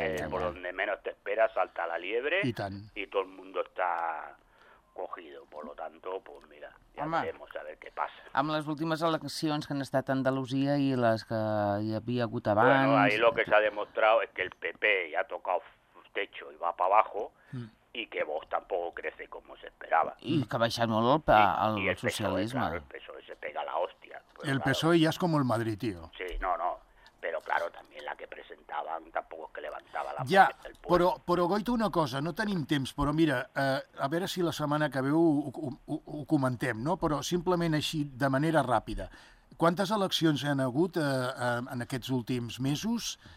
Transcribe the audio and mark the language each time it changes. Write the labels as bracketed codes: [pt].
[es] Por donde menos te esperas, salta la liebre y todo el mundo está cogido. Por lo tanto, pues mira, ya veremos a ver qué pasa. [ca] Amb les últimes eleccions que han estat a Andalusia i les que hi havia hagut abans... [es] Bueno, ahí lo que se ha demostrado es que el PP ya ha tocado techo y va para abajo... Y que Vox tampoco crece como se esperaba. [ca] Y que baixa molt el socialisme. [es] Claro, el PSOE se pega la hostia. Pues el PSOE ya es como el Madrid, tío. Sí, no. Pero claro, también la que presentaban tampoco es que levantaba la... Ya, pero Goito, una cosa, [ca] no tenim temps, [es] pero mira, a ver si la semana [ca] que ve ho comentem, [es] ¿no? [ca] Pero simplemente así, de manera rápida. [es] ¿Cuántas elecciones [ca] han hagut en aquests últims mesos?